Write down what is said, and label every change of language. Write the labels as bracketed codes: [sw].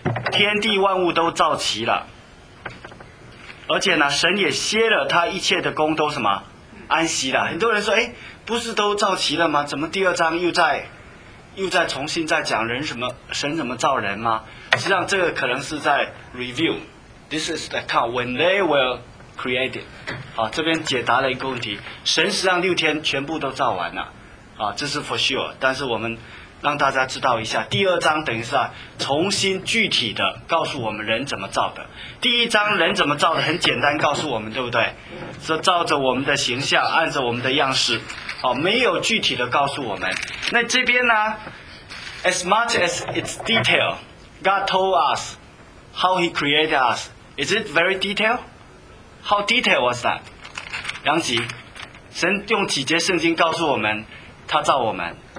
[zh] 天地万物都造齐了，而且呢，神也歇了他一切的功，都什么安息了。很多人说，哎，不是都造齐了吗？怎么第二章又在重新再讲人什么神怎么造人吗？实际上，这个可能是在 review。 [en] This is the account when they were created。 [zh] 好，这边解答了一个问题，神实际上六天全部都造完了，啊，这是 [en] for sure， [zh] 但是我们让大家知道一下，第二章等于是、啊、重新具体的告诉我们人怎么造的。第一章人怎么造的很简单告诉我们，对不对？是照着我们的形象，按着我们的样式、哦、没有具体的告诉我们。那这边呢， [en] As much as it's detail, God told us how he created us. Is it very detail? How detail was that? [zh] 杨吉，神用几节圣经告诉我们他造我们？